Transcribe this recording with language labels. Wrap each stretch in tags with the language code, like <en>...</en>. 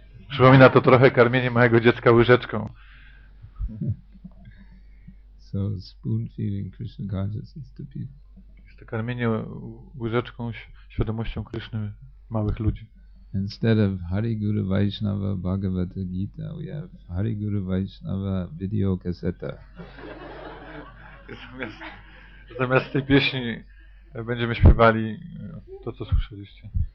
<pl>Przypomina to trochę karmienie mojego dziecka łyżeczką.</pl> <en>So spoon feeding Krishna consciousness to people.</en> <pl>Jest to karmienie łyżeczką świadomością Krishny małych ludzi.</pl> <en>Instead of Hari Guru Vaishnava Bhagavata Gita, we have Hari Guru Vaishnava video cassette.</en> <pl>Zamiast tej pieśni będziemy śpiewali to, co słyszeliście.</pl>